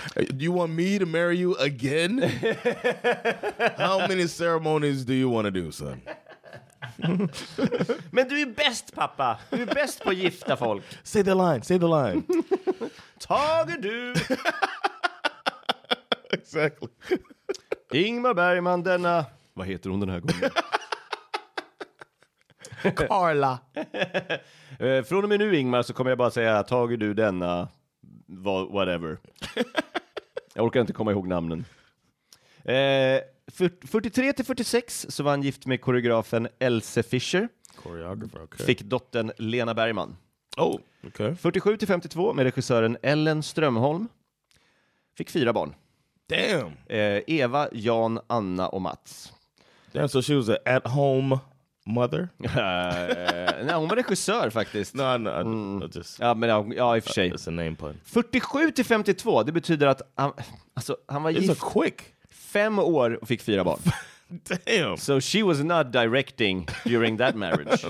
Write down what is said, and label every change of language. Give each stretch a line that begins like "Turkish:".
English: Do you want me to marry you again? How many ceremonies do you want to do, son?
Swedish: Men du är bäst, pappa. Du är bäst på att gifta folk.
English: Say the line. Say the line.
Swedish: Tager du.
English: Exactly.
Swedish: Ingmar Bergman denna... Vad heter hon den här gången? Carla. Från och med nu, Ingmar, så kommer jag bara säga tager du denna... Whatever. Jag orkar inte komma ihåg namnen. 43-46 så var han gift med koreografen Else Fischer.
English: Choreographer, okay.
Swedish: Fick dottern Lena Bergman.
English: Oh, okay.
Swedish: 47-52 med regissören Ellen Strömholm. Fick 4 barn.
English: Damn.
Swedish: Eva, Jan, Anna och Mats.
English: Damn, so she was an at-home mother?
Swedish: Nej, hon var regissör faktiskt. Ja, i och för sig.
English: It's a name pun.
Swedish: 47-52, det betyder att han, alltså, han var gift.
English: It's a quick.
Swedish: 5 år och fick 4 barn.
English: Damn. So she was not directing during that marriage.